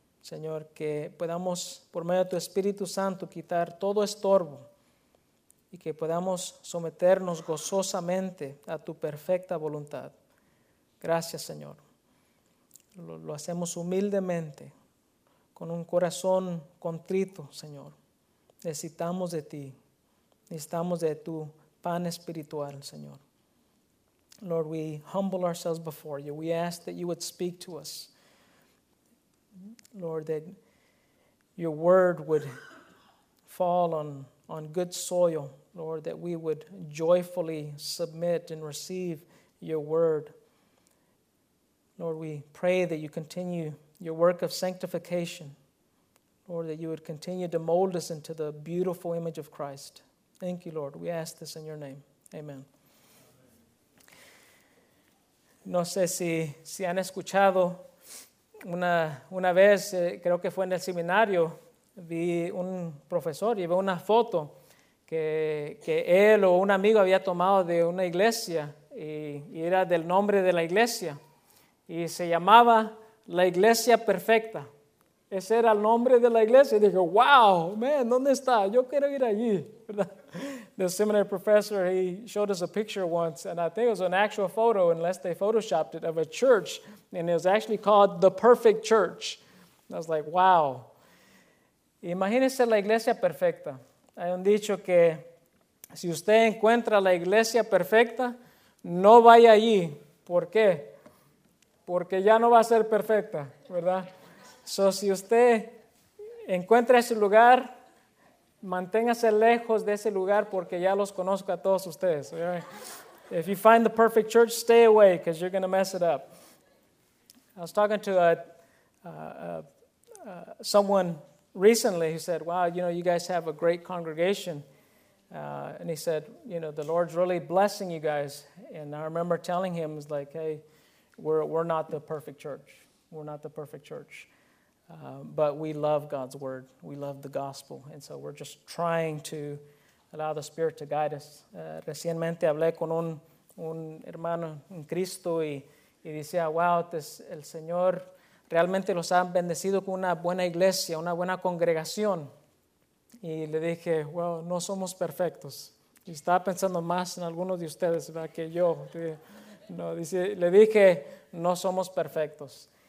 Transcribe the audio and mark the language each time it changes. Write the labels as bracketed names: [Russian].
[Spanish] Señor, que podamos, por medio de tu Espíritu Santo, quitar todo estorbo y que podamos someternos gozosamente a tu perfecta voluntad. Gracias, Señor. Lo hacemos humildemente, con un corazón contrito, Señor. Necesitamos de ti. Necesitamos de tu pan espiritual, Señor. [English] Lord, we humble ourselves before you. We ask that you would speak to us. Lord, that your word would fall on good soil. Lord, that we would joyfully submit and receive your word. Lord, we pray that you continue your work of sanctification. Lord, that you would continue to mold us into the beautiful image of Christ. Thank you, Lord. We ask this in your name. Amen. [Spanish] No sé si han escuchado una vez, creo que fue en el seminario, vi un profesor, llevé una foto que él o un amigo había tomado de una iglesia y era del nombre de la iglesia y se llamaba La Iglesia Perfecta. Ese era el nombre de la iglesia. Y dije, [English] wow, man, [Spanish] ¿dónde está? Yo quiero ir allí, ¿verdad? [English] The seminary professor, he showed us a picture once, and I think it was an actual photo, unless they photoshopped it, of a church, and it was actually called The Perfect Church. I was like, wow. [Spanish] Imagínese la iglesia perfecta. Hay un dicho que si usted encuentra la iglesia perfecta, no vaya allí. ¿Por qué? Porque ya no va a ser perfecta, ¿verdad? So, si usted encuentra ese lugar, manténgase lejos de ese lugar porque ya los conozco a todos ustedes. [English] Okay? If you find the perfect church, stay away because you're going to mess it up. I was talking to someone recently who said, wow, you know, you guys have a great congregation. And he said, you know, the Lord's really blessing you guys. And I remember telling him, it's like, hey, we're not the perfect church. We're not the perfect church. But we love God's word. We love the gospel. And so we're just trying to allow the Spirit to guide us. [Spanish] Recientemente hablé con un hermano en Cristo y decía, wow, el Señor realmente los ha bendecido con una buena iglesia, una buena congregación. Y le dije, well, no somos perfectos. Y estaba pensando más en algunos de ustedes, ¿verdad? Que yo. No, dice, le dije, no somos perfectos.